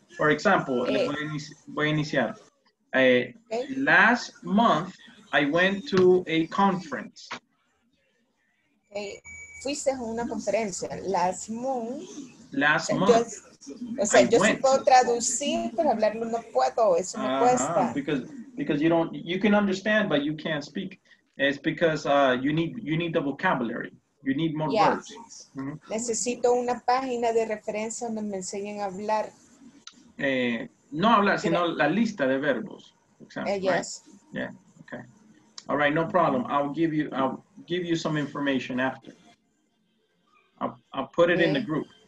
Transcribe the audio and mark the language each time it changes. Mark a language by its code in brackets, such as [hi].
[en] For example, [es] le voy a iniciar. [en] Last month I went to a conference. [es] Okay. Fuiste a una conferencia. [en] Last month. Last month. [es] Yo, o sea, I yo went. Sí puedo traducir, pero hablarlo no puedo. Eso me cuesta. [en] Because you don't, you can understand, but you can't speak. It's because you need the vocabulary. You need more words. Mm-hmm. [es] Necesito una página de referencia donde me enseñen a hablar. No hablar, sino la lista de verbos. Example, [en] yes. Right? Yeah. Okay. All right. No problem. I'll give you some information after. I'll put it in the group.